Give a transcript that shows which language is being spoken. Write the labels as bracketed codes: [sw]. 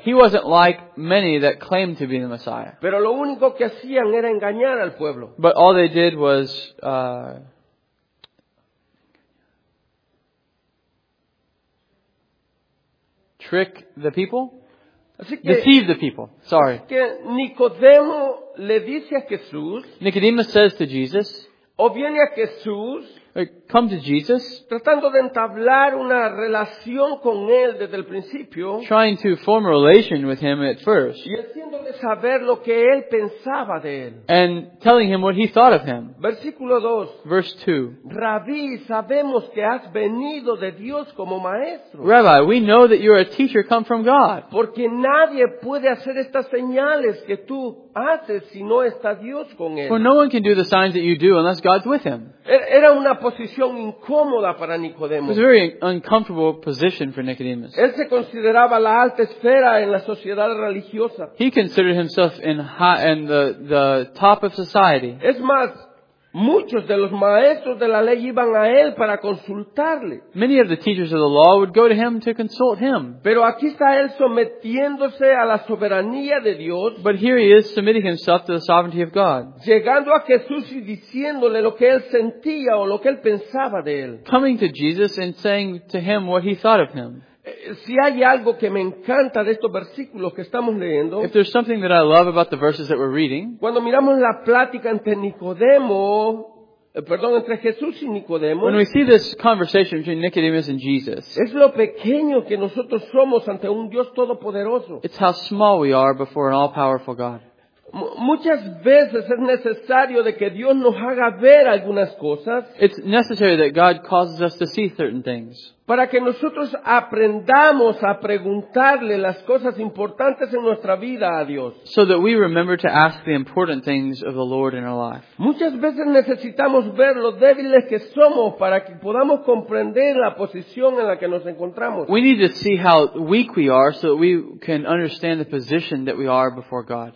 [en] He wasn't like many that claimed to be the Messiah. [es] Pero lo único que hacían era engañar al pueblo. [en] But all they did was trick the people. [es] Así que, [en] deceive the people. Sorry. [es] Que Nicodemo le dice a Jesús, [en] Nicodemus says to Jesus, [es] o viene a Jesús, [en] come to Jesus, [es] tratando de entablar una relación con él desde el principio, [en] trying to form a relation with him at first, [es] y haciéndole saber lo que él pensaba de él, [en] and telling him what he thought of him. [es] Versículo 2. [en] Verse 2. [es] Rabí, sabemos que has venido de Dios como maestro. [en] Rabbi, we know that you're a teacher come from God. [es] Porque nadie puede hacer estas señales que tú haces si no está Dios con él. [en] For no one can do the signs that you do unless God's with him. [es] Era una posición incómoda para Nicodemo. [en] It was a very uncomfortable position for Nicodemus. [es] Él se consideraba la alta esfera en la sociedad religiosa. [en] He considered himself in high, in the top of society. [es] Es más, muchos de los maestros de la ley iban a él para consultarle. [en] Many of the teachers of the law would go to him to consult him. [es] Pero aquí está él sometiéndose a la soberanía de Dios. [en] But here he is submitting himself to the sovereignty of God. [es] Llegando a Jesús y diciéndole lo que él sentía o lo que él pensaba de él. [en] Coming to Jesus and saying to him what he thought of him. [es] Si hay algo que me encanta de estos versículos que estamos leyendo, [en] if there's something that I love about the verses that we're reading, [es] cuando miramos la plática entre Nicodemo, entre Jesús y Nicodemo, [en] when we see this conversation between Nicodemus and Jesus, [es] es lo pequeño que nosotros somos ante un Dios todopoderoso. [en] It's how small we are before an all-powerful God. [es] Muchas veces es necesario de que Dios nos haga ver algunas cosas. [en] It's necessary that God causes us to see certain things. [es] Para que nosotros aprendamos a preguntarle las cosas importantes en nuestra vida a Dios. [en] So that we remember to ask the important things of the Lord in our life. [es] Muchas veces necesitamos ver lo débiles que somos para que podamos comprender la posición en la que nos encontramos. [en] We need to see how weak we are so that we can understand the position that we are before God.